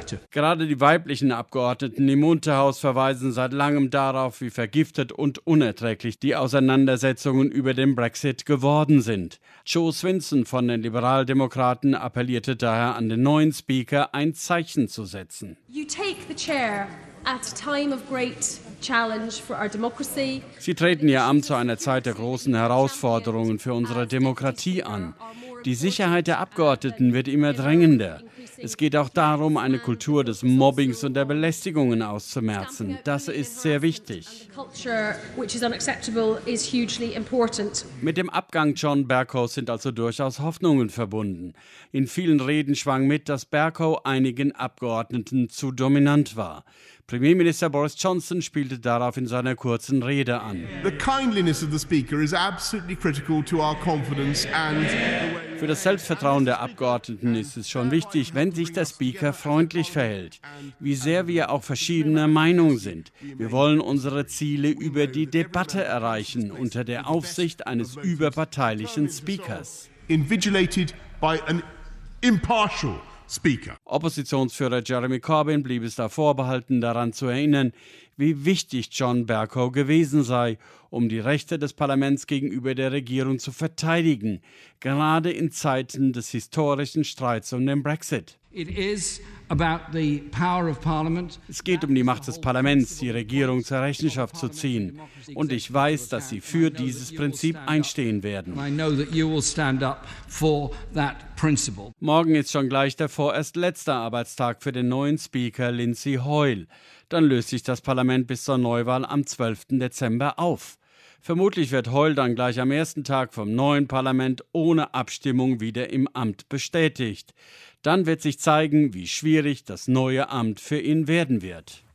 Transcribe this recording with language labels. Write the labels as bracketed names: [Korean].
[German] Gerade die weiblichen Abgeordneten im Unterhaus verweisen seit langem darauf, wie vergiftet und unerträglich die Auseinandersetzungen über den Brexit geworden sind. Jo Swinson von den Liberaldemokraten appellierte daher an den neuen Speaker, ein Zeichen zu setzen. [English] You take the chair at a time of great challenge for our democracy. [German] Sie treten ihr Amt zu einer Zeit der großen Herausforderungen für unsere Demokratie an. Die Sicherheit der Abgeordneten wird immer drängender. Es geht auch darum, eine Kultur des Mobbings und der Belästigungen auszumerzen. Das ist sehr wichtig. Mit dem Abgang John Bercows sind also durchaus Hoffnungen verbunden. In vielen Reden schwang mit, dass Bercow einigen Abgeordneten zu dominant war. Premierminister Boris Johnson spielte darauf in seiner kurzen Rede an. [English] The kindliness of the speaker is absolutely critical to our confidence and the way. [German] Für das Selbstvertrauen der Abgeordneten ist es schon wichtig, wenn sich der Speaker freundlich verhält. Wie sehr wir auch verschiedener Meinung sind. Wir wollen unsere Ziele über die Debatte erreichen, unter der Aufsicht eines überparteilichen Speakers. [English] Invigilated by an impartial Speaker. [German] Oppositionsführer Jeremy Corbyn blieb es da vorbehalten, daran zu erinnern, wie wichtig John Bercow gewesen sei, um die Rechte des Parlaments gegenüber der Regierung zu verteidigen, gerade in Zeiten des historischen Streits um den Brexit. [English] It is about the power of Parliament. [German] Es geht um die Macht des Parlaments, die Regierung zur Rechenschaft zu ziehen. Und ich weiß, dass Sie für dieses Prinzip einstehen werden. [English] I know that you will stand up for that principle. [German] Morgen ist schon gleich der vorerst letzte Arbeitstag für den neuen Speaker Lindsay Hoyle. Dann löst sich das Parlament bis zur Neuwahl am 12. Dezember auf. Vermutlich wird Hoyle dann gleich am ersten Tag vom neuen Parlament ohne Abstimmung wieder im Amt bestätigt. Dann wird sich zeigen, wie schwierig das neue Amt für ihn werden wird.